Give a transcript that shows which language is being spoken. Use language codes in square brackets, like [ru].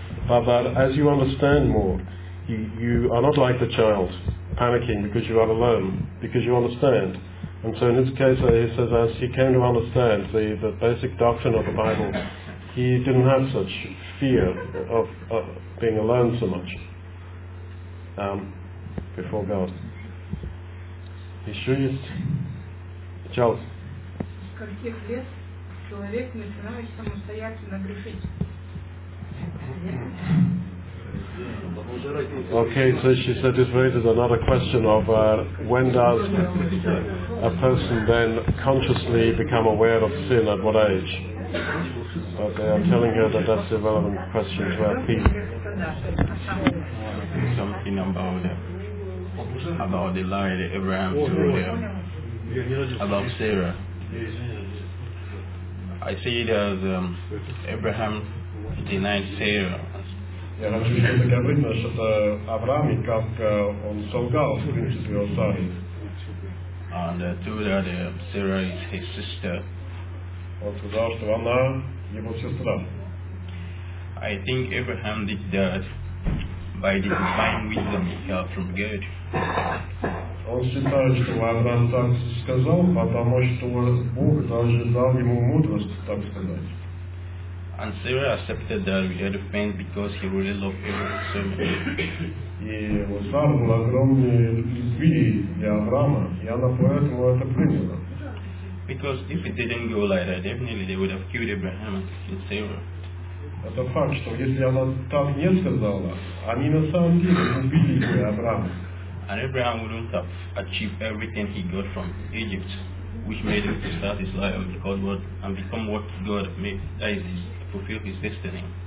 [en] But that as you understand more, you are not like the child panicking because you are alone, because you understand. And so in his case, he says, as he came to understand the basic doctrine of the Bible, he didn't have such fear of being alone so much before God. [ru] Еще есть? Чао. Каких лет человек начинает самостоятельно грешить? [en] Okay, so she said this raises another question of when does a person then consciously become aware of sin, at what age? But they are telling her that that's a relevant question to our people. Something about the lie that Abraham told her about Sarah. I see it as Abraham denied Sarah. [ru] Я хочу, чтобы это видно, что это Авраам, и как он солгал, в принципе, о Саре. [en] And told that Sarah is his sister. [ru] Он сказал, что она его сестра. [en] I think Abraham did that by the divine wisdom he got from God. [ru] Он считает, что Авраам так сказал, потому что Бог даже дал ему мудрость, так сказать. [en] And Sarah accepted that he had a pain because he really loved Abraham so much. Because if it didn't go like that, definitely they would have killed Abraham and Sarah. [ru] Это факт, что если она так не сказала, они на самом деле убили бы Авраама. [en] And Abraham wouldn't have achieved everything he got from Egypt, which made him to start his life with God and become what God made, that is, fulfill his destiny.